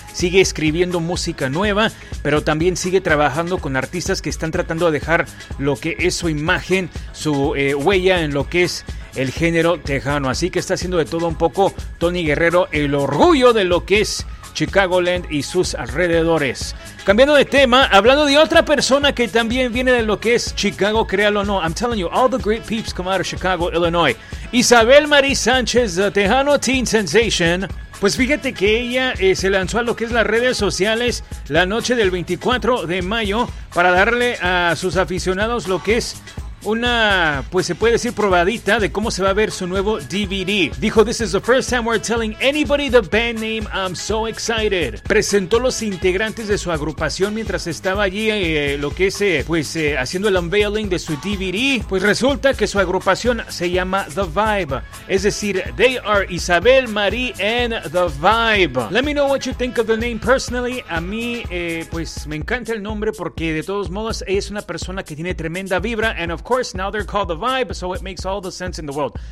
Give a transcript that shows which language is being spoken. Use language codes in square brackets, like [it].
[es] Sigue escribiendo música nueva, pero también sigue trabajando con artistas que están tratando de dejar lo que es su imagen, su huella en lo que es el género tejano. Así que está haciendo de todo un poco Tony Guerrero, el orgullo de lo que es Chicagoland y sus alrededores. Cambiando de tema, hablando de otra persona que también viene de lo que es Chicago, créalo o no. [en] I'm telling you, all the great peeps come out of Chicago, Illinois. Isabel Marie Sánchez, the Tejano Teen Sensation. [es] Pues fíjate que ella se lanzó a lo que es las redes sociales la noche del 24 de mayo para darle a sus aficionados lo que es una, pues se puede decir, probadita de cómo se va a ver su nuevo DVD. Dijo, [en] "This is the first time we're telling anybody the band name. I'm so excited." [es] Presentó los integrantes de su agrupación mientras estaba allí haciendo el unveiling de su DVD. Pues resulta que su agrupación se llama The Vibe. Es decir, [en] they are Isabel, Marie and The Vibe. Let me know what you think of the name personally. [es] A mí, pues me encanta el nombre porque de todos modos es una persona que tiene tremenda vibra. [en] And of course, now they're called The Vibe, so it makes all the sense in the world.